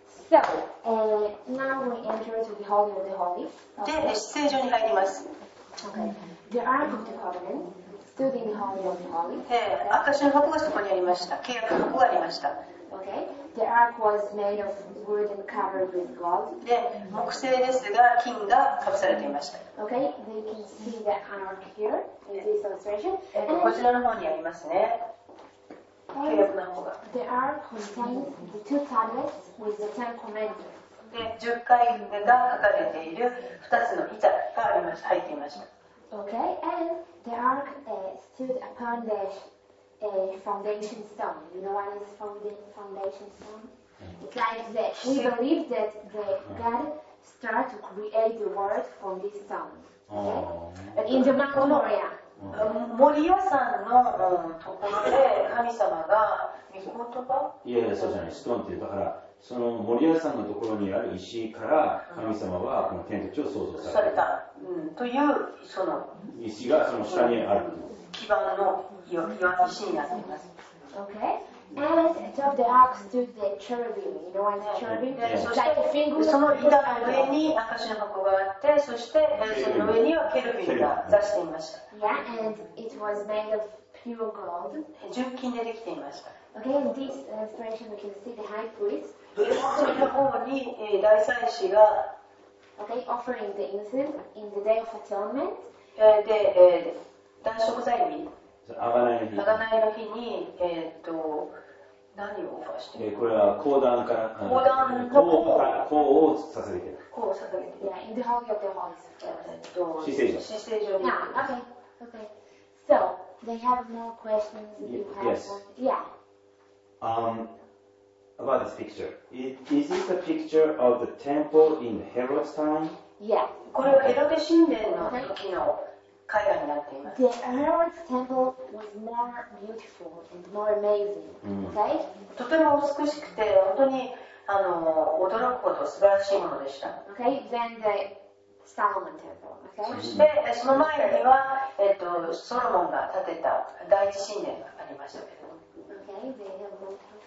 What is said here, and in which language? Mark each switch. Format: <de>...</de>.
<en>So, now we enter to the Holy of the Holy.</en> <ja>で、施政所に入ります。</ja> <en>The Ark of the Covenant stood in the Holy of the Holy.</en> <ja>証の箱がそこにありました。契約の箱がありました。</ja> <en>Okay. The Ark was made of wood and covered with gold.</en> <ja>で、木製ですが、金がかぶされていました。</ja> <en>Okay. We can see the Ark here in this illustration.</en> <ja>こちらの方にありますね。</ja> <en>The ark contains the two tablets with the ten commandments.</en> <ja>で、十戒が書かれている二つの板が入っていました。</ja> <en>Okay, and the ark stood upon the foundation stone. You know what is foundation stone? It's like that. We believe that the God started to create the world from this stone. Okay, in the Mount Moriah.</en> <ja>モリア山のところで神様が御言葉、いやいや、そうじゃない、ストーンっていう、だからそのモリア山のところにある石から神様はこの天と地を創造された、というその石がその下にある基盤の岩石になっています。</ja> <en>OK And atop the ark stood the cherubim. You know what cherubim? Like the fingers.</en> <ja>その板の上に証の箱があって、そしてその上にはケルビンが座していました。</ja> <en>Yeah, and it was made of pure gold.</en> <ja>純金でできていました。</ja> <en>Okay, in this illustration we can see the high priest.</en> <ja>その方に大祭司が</ja> <en>offering the incense in the day of atonement.</en> <ja>で、断食祭日。贖いの日に、何をオファーしてる、これは香壇から香壇の香を捧げてる、香を捧げてる、</ja> <en>yeah, in the Holy of the Holies,</en> <ja>施政所、施政所、</ja> <en>yeah, okay, okay. So they have no questions. Yes. Yeah. About this picture. Is this a picture of the temple in Herod's time? Yeah.</en> <ja>これはヘロデ神殿の時の。</ja> <en>The Herod's temple was more beautiful and more amazing. Okay?</en> <ja>とても美しくて本当にあの驚くほど素晴らしいものでした。</ja> <en>Okay, then the Solomon Temple. Okay.</en> <ja>そしてその前にはソロモンが建てた第一神殿がありましたけど。</ja> <en>Okay, they have more questions.</en>